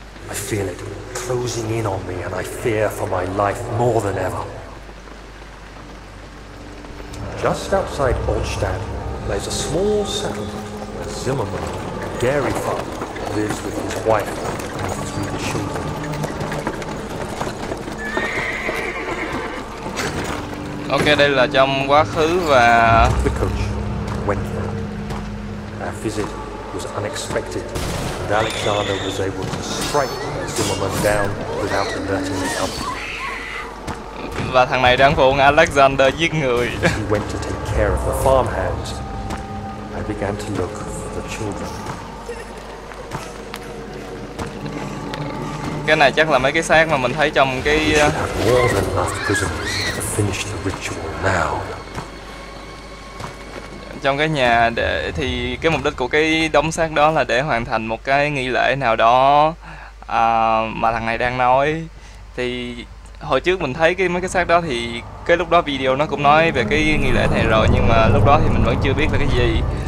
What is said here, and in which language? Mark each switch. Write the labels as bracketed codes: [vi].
[en] I feel it closing in on me, and I fear for my life more than ever. Just outside Oldstadt lies a small settlement where Zimmerman, a dairy farmer, lives with his wife and his three children. [vi] Okay, đây là trong quá khứ và... [en] The coach went there. Our visit was unexpected, and Alexander was able to strike Zimmerman down without alerting the others. [vi] Và thằng này đang phụ Alexander giết người. [en] He went to take care of the farmhands. I began to look for the children. [vi] Cái này chắc là mấy cái xác mà mình thấy trong cái... [en] We should have more than enough prisoners to finish the ritual now. [vi] Trong cái nhà để thì cái mục đích của cái đống xác đó là để hoàn thành một cái nghi lễ nào đó mà thằng này đang nói. Thì hồi trước mình thấy cái mấy cái xác đó thì cái lúc đó video nó cũng nói về cái nghi lễ này rồi, nhưng mà lúc đó thì mình vẫn chưa biết là cái gì.